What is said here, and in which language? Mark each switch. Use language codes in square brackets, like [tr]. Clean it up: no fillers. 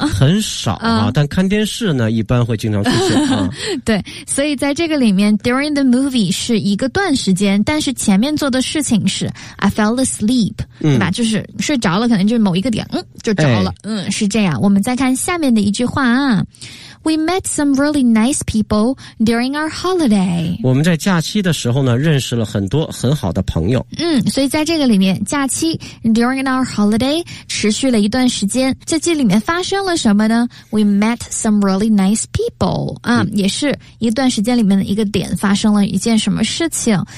[zh] 很少啊，但看电视呢，一般会经常出现。对，所以在这个里面 ， [en] during the movie [zh] 是一个段时间，但是前面做的事情是 [en] I fell asleep, [zh] 对吧？就是睡着了，可能就是某一个点，就着了。是这样。我们再看下面的一句话啊。 [en] We met some really nice people during our holiday. [zh] 我们在假期的时候呢，认识了很多很好的朋友。所以在这个里面，假期 during our holiday 持续了一段时间。在这里面发生了什么呢 ？ [en] We met some really nice people. [zh] 也是一段时间里面的一个点，发生了一件什么事情？